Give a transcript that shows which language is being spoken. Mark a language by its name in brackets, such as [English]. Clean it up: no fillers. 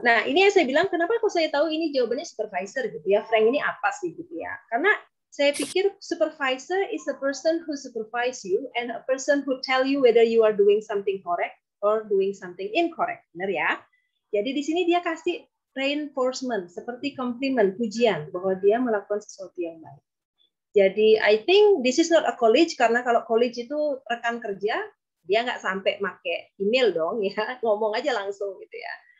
[Indonesian] Nah, ini yang saya bilang kenapa kok saya tahu ini jawabannya supervisor gitu ya. Frank ini apa sih gitu ya? [English] Karena saya pikir supervisor is a person who supervise you and a person who tell you whether you are doing something correct or doing something incorrect, [Indonesian] benar ya? Jadi di sini dia kasih reinforcement seperti compliment, pujian bahwa dia melakukan sesuatu yang baik. Jadi [English] I think this is not a college [Indonesian] karena kalau college itu rekan kerja dia nggak sampai make email dong ya, ngomong aja langsung gitu ya.